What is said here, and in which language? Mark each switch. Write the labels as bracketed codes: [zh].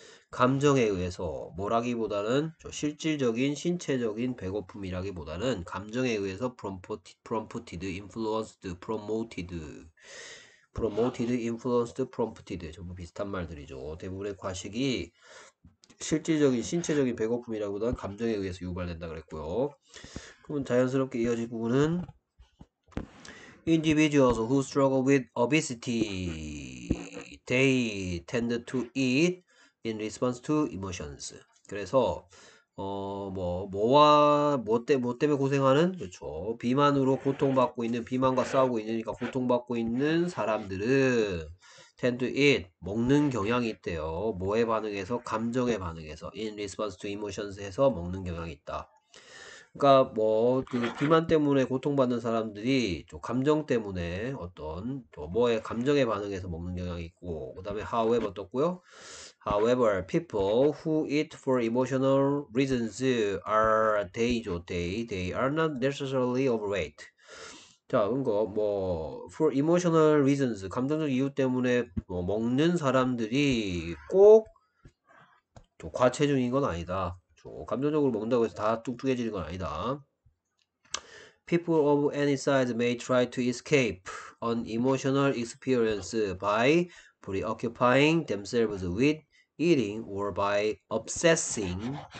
[ko] 감정에 의해서 뭐라기보다는 실질적인 신체적인 배고픔이라기보다는 감정에 의해서 [en] prompted, influenced, promoted, influenced, prompted [ko] 전부 비슷한 말들이죠. 대부분의 과식이 실질적인 신체적인 배고픔이라기보다는 감정에 의해서 유발된다 그랬고요. 그럼 자연스럽게 이어질 부분은 [en] Individuals who struggle with obesity, they tend to eat in response to emotions. [ko] 그래서 뭐 때문에 고생하는? 그렇죠. 비만으로 고통받고 있는, 비만과 싸우고 있으니까 고통받고 있는 사람들은 [en] tend to eat [ko] 먹는 경향이 있대요. 뭐에 반응해서? 감정에 반응해서. [en] in response to emotions [ko] 에서 먹는 경향이 있다. 그러니까 비만 때문에 고통받는 사람들이 감정 때문에 어떤 뭐에 감정에 반응해서 먹는 경향이 있고, 그다음에 however 어떻고요? [en] However, people who eat for emotional reasons are they are not necessarily overweight. [ko] 자, [en] for emotional reasons, [ko] 감정적 이유 때문에 먹는 사람들이 꼭 과체중인 건 아니다. 감정적으로 먹는다고 해서 다 뚱뚱해지는 건 아니다. [en] People of any size may try to escape an emotional experience by preoccupying themselves with eating or by obsessing.